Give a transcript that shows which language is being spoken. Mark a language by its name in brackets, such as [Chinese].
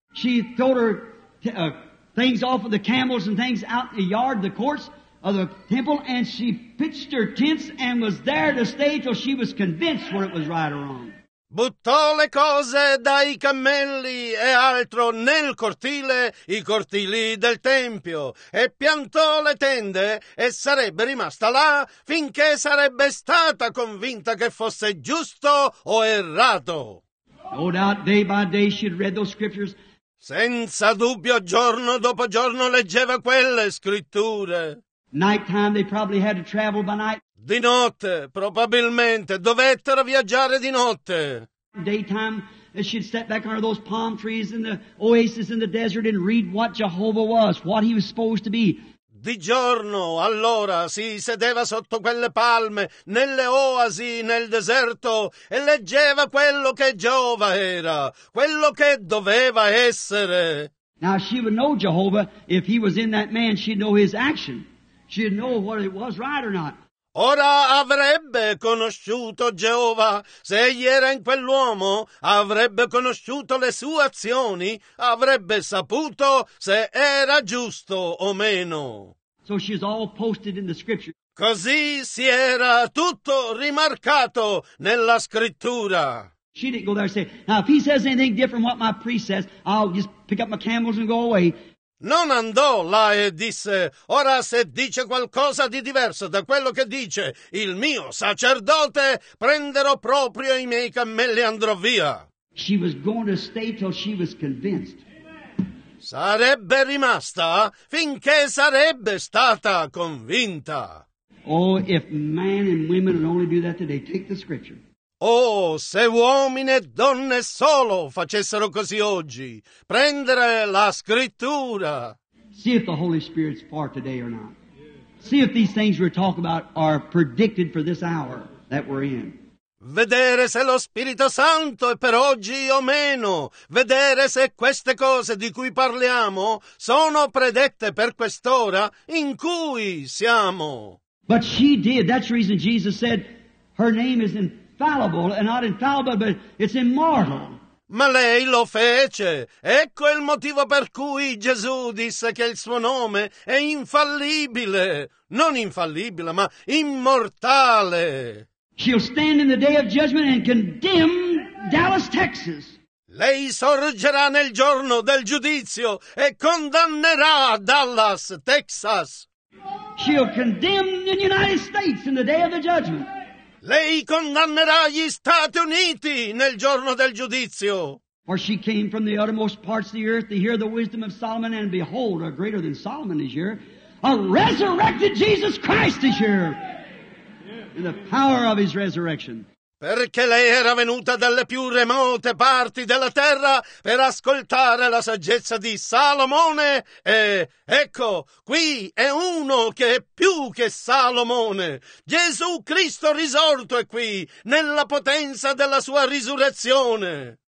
[English] She threw her things off of the camels and things out in the yard, the courts of the temple, and she pitched her tents and was there to stay till she was convinced where it was right or wrong. [Italian] Buttò le cose dai cammelli e altro nel cortile, i cortili del tempio, e piantò le tende e sarebbe rimasta là finché sarebbe stata convinta che fosse giusto o errato. [English] No doubt, day by day she'd read those scriptures. [Italian] Senza dubbio, giorno dopo giorno leggeva quelle scritture. [English] Nighttime they probably had to travel by night. [Italian] Di notte, probabilmente, dovettero viaggiare di notte. [English] Daytime, she'd step back under those palm trees in the oasis in the desert and read what Jehovah was, what he was supposed to be. [Italian] Di giorno, allora, si sedeva sotto quelle palme, nelle oasi, nel deserto, e leggeva quello che Geova era, quello che doveva essere. [English] Now, she would know Jehovah if he was in that man, she'd know his action. She'd know whether it was right or not. [Italian] Ora avrebbe conosciuto Geova. Se egli era in quell'uomo, avrebbe conosciuto le sue azioni, avrebbe saputo se era giusto o meno. [English] So she's all posted in the scripture. [Italian] Così si era tutto rimarcato nella scrittura. [English] She didn't go there and say, now if he says anything different from what my priest says, I'll just pick up my camels and go away. [Italian] Non andò là e disse, ora se dice qualcosa di diverso da quello che dice il mio sacerdote, prenderò proprio i miei cammelli e andrò via. [English] She was going to stay till she was convinced. [Italian] Sarebbe rimasta finché sarebbe stata convinta. [English] Oh, if men and women would only do that today, take the scripture. [Italian] Oh, se uomini e donne solo facessero così oggi, prendere la scrittura. [English] See if the Holy Spirit's for today or not. See if these things we're talking about are predicted for this hour that we're in. [Italian] Vedere se lo Spirito Santo è per oggi o meno. Vedere se queste cose di cui parliamo sono predette per quest'ora in cui siamo. [English] But she did. That's the reason Jesus said her name is infallible, and not infallible, but it's immortal. [Italian] Ma lei lo fece. Ecco il motivo per cui Gesù disse che il suo nome è infallibile. Non infallibile, ma immortale. [English] She'll stand in the day of judgment and condemn Dallas, Texas. [Italian] Lei sorgerà nel giorno del giudizio e condannerà Dallas, Texas. [English] She'll condemn the United States in the day of the judgment. [Italian] Lei condannerà gli Stati Uniti nel giorno del giudizio. [English] For she came from the uttermost parts of the earth to hear the wisdom of Solomon, and behold, a greater than Solomon is here. A resurrected Jesus Christ is here. In the power of his resurrection. [Italian] Perché lei era venuta dalle più remote parti della terra per ascoltare la saggezza di Salomone, e ecco, qui è uno che è più che Salomone. Gesù Cristo risorto è qui, nella potenza della sua risurrezione.